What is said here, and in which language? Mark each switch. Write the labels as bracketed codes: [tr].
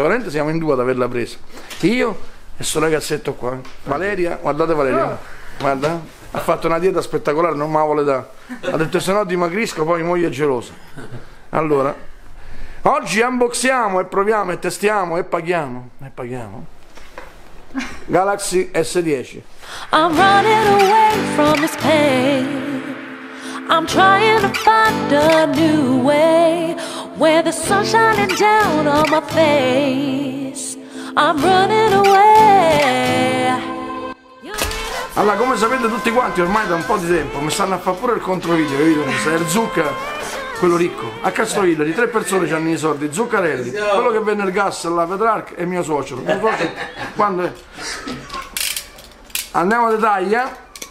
[it] Veramente siamo in due ad averla presa. Io e sto ragazzetto qua. Valeria, guardate Valeria. Guarda, ha fatto una dieta spettacolare, non ma vuole da. Ha detto se no dimagrisco, poi mia moglie è gelosa. Allora, oggi unboxiamo e proviamo e testiamo e paghiamo. Galaxy S10. [en] I'm running away from this pain. I'm trying to find a new way where the sun's shining down on my face. I'm running away. [it] Allora, come sapete tutti quanti, ormai da un po' di tempo mi stanno a fare pure il controvideo, capito? Mi sa, il Zucca, quello ricco. A Castrovilla di tre persone ci hanno i soldi: Zuccarelli, quello che vende il gas alla Petrarca e mio suocero. Mi ricordo quando è. Andiamo a dettaglia.